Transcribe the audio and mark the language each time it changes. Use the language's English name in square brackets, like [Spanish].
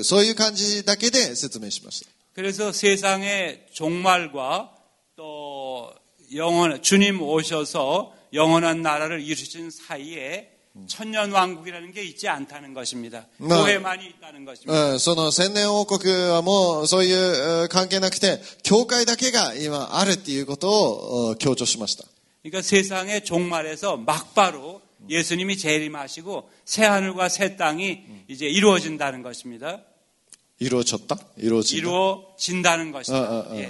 [Japanese] 霊的な千年王国であり、この私たちのそういう心に来るそういう王国、そういう感じだけで説明しました。 [Korean] 그래서 세상의 종말과 또 영원 주님 오셔서 영원한 나라를 이루신 사이에 천년왕국이라는 게 있지 않다는 것입니다. 교회만이 있다는 것입니다. [Japanese] その千年王国はもうそういう関係なくて教会だけが今あるっていうことを強調しました。 [Korean] 그러니까 세상의 종말에서 막바로 예수님이 재림하시고 새하늘과 새 땅이 이제 이루어진다는 것입니다. 이루어졌다? 이루어진다? 이루어진다는 것입니다.